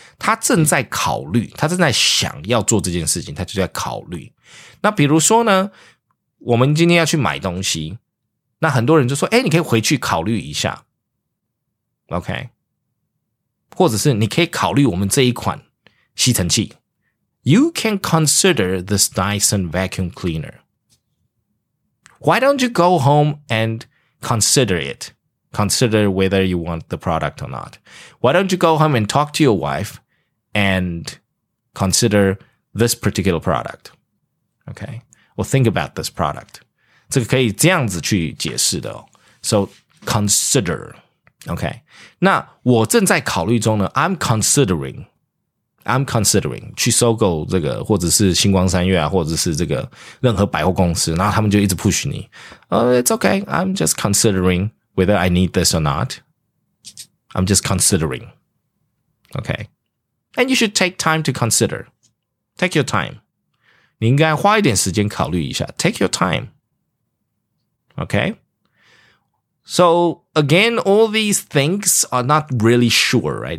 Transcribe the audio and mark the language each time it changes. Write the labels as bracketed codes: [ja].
[zh] 他正在考虑,他正在想要做这件事情,他就在考虑。那比如说呢? 我们今天要去买东西那很多人就说诶你可以回去考虑一下 OK 或者是你可以考虑我们这一款吸尘器 [en] You can consider this Dyson vacuum cleaner Why don't you go home and consider it Consider whether you want the product or not Why don't you go home and talk to your wife And consider this particular product OKWe'll think about this product. [zh] 这个可以这样子去解释的哦。 [en] So, consider. Okay. [zh] 那我正在考虑中呢 [en] I'm considering. [zh] 去搜购这个或者是星光三月啊或者是这个任何百货公司然后他们就一直 push 你。 [en] It's okay. I'm just considering whether I need this or not. I'm just considering. Okay. And you should take time to consider. Take your time. [zh] 你应该花一点时间考虑一下 [en] Take your time Okay So again all these things are not really sure right?